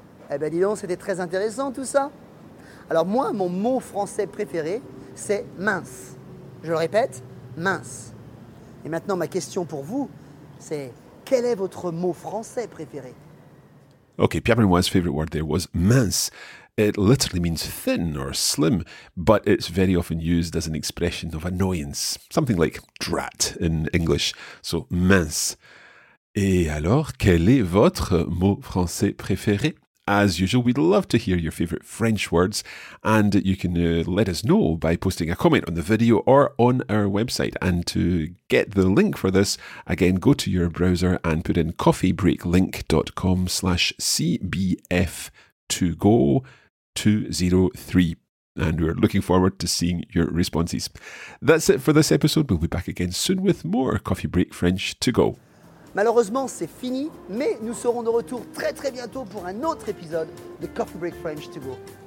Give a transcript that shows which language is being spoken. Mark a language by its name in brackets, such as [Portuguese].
[French] Eh ben dis donc, c'était très intéressant tout ça. Alors moi, mon mot français préféré, c'est mince. Je le répète, mince. Et maintenant, ma question pour vous, c'est quel est votre mot français préféré? [English] Okay, Pierre Benoît's favorite word there was mince. It literally means thin or slim, but it's very often used as an expression of annoyance. Something like drat in English. So mince. [French] Et alors, quel est votre mot français préféré? [English] As usual, we'd love to hear your favourite French words, and you can let us know by posting a comment on the video or on our website. And to get the link for this, again, go to your browser and put in coffeebreaklink.com/CBF2Go203. And we're looking forward to seeing your responses. That's it for this episode. We'll be back again soon with more Coffee Break French to go. [French] Malheureusement, c'est fini, mais nous serons de retour très très bientôt pour un autre épisode de Coffee Break French to Go.